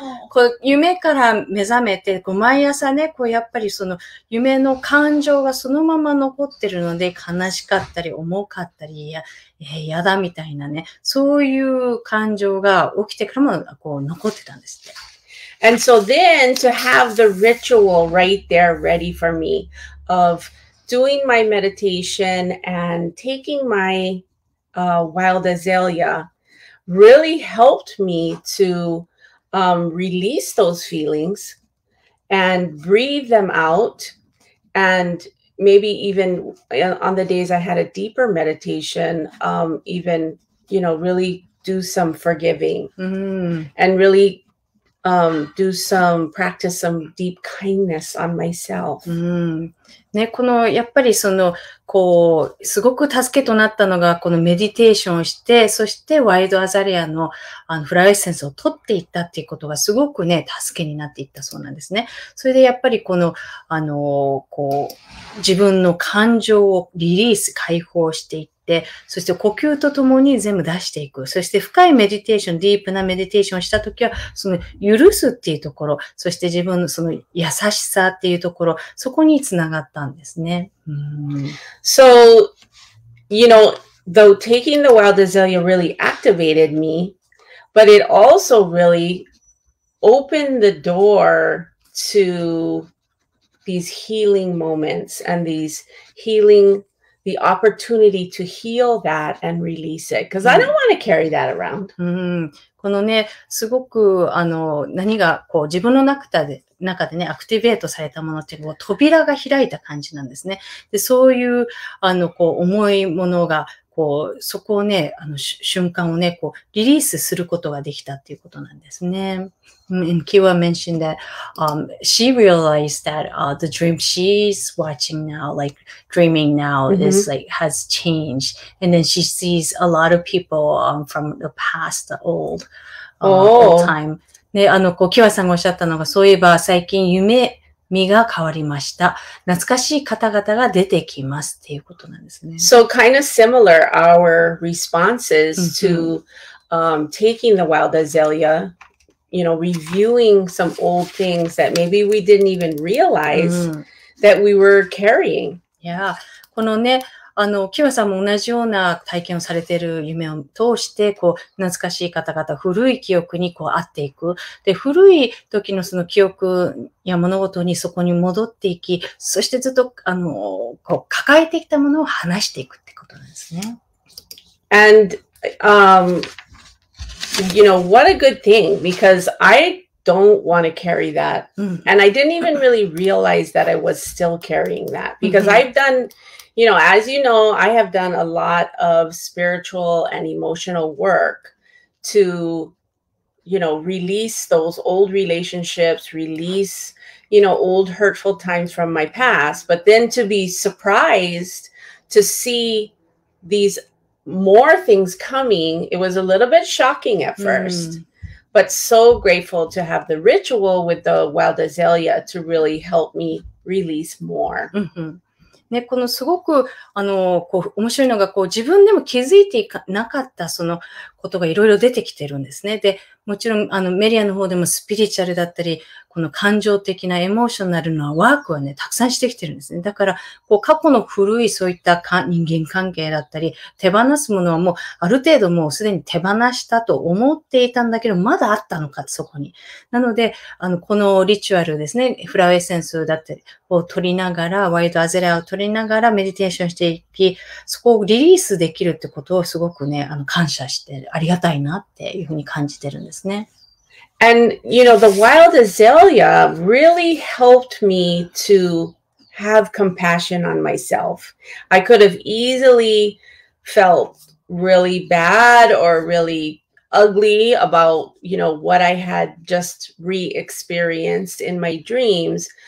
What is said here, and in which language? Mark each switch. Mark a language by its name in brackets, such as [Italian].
[Japanese] こう夢から目覚めて、こう毎朝ね、こうやっぱりその夢の感情がそのまま残ってるので、悲しかったり、重かったり、やだみたいなね、そういう感情が起きてからもこう残ってたんですって。 [English] And so then to have the ritual right there ready for me of doing my meditation and taking my wild azalea really helped me to release those feelings and breathe them out. And maybe even on the days I had a deeper meditation, even, you know, really do some forgiving and really do some practice some deep kindness on myself. [Japanese] ね、このやっぱりそのこうすごく助けとなったのがこのメディテーションをして、そしてワイルドアザレアのあのフラワーエッセンスを取っていったっていうことがすごくね助けになっていったそうなんですね。それでやっぱりこのあのこう自分の感情をリリース解放していって、でそして呼吸とともに全部出していく、そして深いメディテーション、ディープなメディテーションをしたときはその許すっていうところ、そして自分のその優しさっていうところ、そこにつながったんですね。 [English] So you know, though taking the wild azalea really activated me, but it also really opened the door to these healing moments and these healing the opportunity to heal that and release it. Because I don't want to carry that around. [Japanese] このね、すごくあの何がこう自分の中でね、アクティベートされたものっていうのは扉が開いた感じなんですね。で、そういうあのこう重いものがこうそこをね、あの瞬間をね、こうリリースすることができたっていうことなんですね。 [English] And Kiwa mentioned that she realized that the dream she's watching now, like dreaming now, is like has changed. And then she sees a lot of people from the past, the old, old time. [Japanese] ね、あの、こう、キワさんがおっしゃったのが、そういえば最近夢見が変わりました。懐かしい方々が出てきますっていうことなんですね。 [English] So kind of similar, our responses to taking the wild azalea. You know, reviewing some old things that maybe we didn't even realize that we were carrying. Yeah. [Japanese] このね、あの、キワさんも同じような体験をされている夢を通して、こう、懐かしい方々、古い記憶にこう、会っていく。で、古い時のその記憶や物事にそこに戻っていき、そしてずっと、あの、こう、抱えてきたものを話していくってことなんですね。 [English] And, You know, what a good thing, because I don't want to carry that. And I didn't even really realize that I was still carrying that. Because I've done, you know, as you know, I have done a lot of spiritual and emotional work to, you know, release those old relationships, release, you know, old hurtful times from my past. But then to be surprised to see these... More things coming. It was a little bit shocking at first, but so grateful to have the ritual with the wild azalea to really help me release more. [Japanese] ね、このすごくあのこう面白いのがこう自分でも気づいていかなかったそのことがいろいろ出てきてるんですね。で、もちろんあのメリアの方でもスピリチュアルだったり、この感情的なエモーショナルなワークはね、たくさんしてきてるんですね。だから、こう過去の古いそういったか人間関係だったり、手放すものはもうある程度もうすでに手放したと思っていたんだけど、まだあったのか、そこに。なので、あの、このリチュアルですね、フラワーエッセンスだったりを取りながら、ワイルドアゼラを取りながらメディテーションしていき、そこをリリースできるってことをすごくね、あの、感謝してる。ありがたいなっていうふうに感じてるんですね。 [English] And you know, the wild azalea really helped me to have compassion on myself. I could have easily felt really bad or really ugly about, you know, what I had just re-experienced in my dreams.